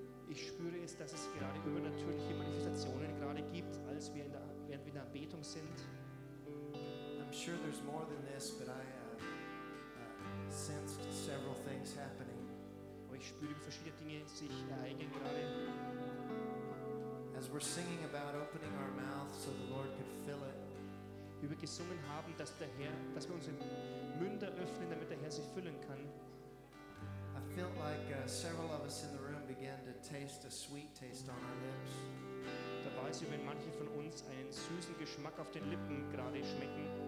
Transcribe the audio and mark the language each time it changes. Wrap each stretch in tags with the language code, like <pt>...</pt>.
<de>Ich spüre es, dass es gerade übernatürliche Manifestationen gerade gibt, als wir in der, während wir in der Anbetung sind.</de> <en>I'm sure there's more than this, but I sensed several things happening.</en> <de>Ich spüre, wie verschiedene Dinge sich ereignen gerade.</de> <en>as we're singing about opening our mouth so the Lord could fill it.</en> <de>Wie wir gesungen haben, dass der Herr, dass wir unsere Münder öffnen, damit der Herr sie füllen kann.</de> <en>I felt like several of us in the room began to taste a sweet taste on our lips.</en> <de>Da weiß ich, wenn manche von uns einen süßen Geschmack auf den Lippen gerade schmecken.</de>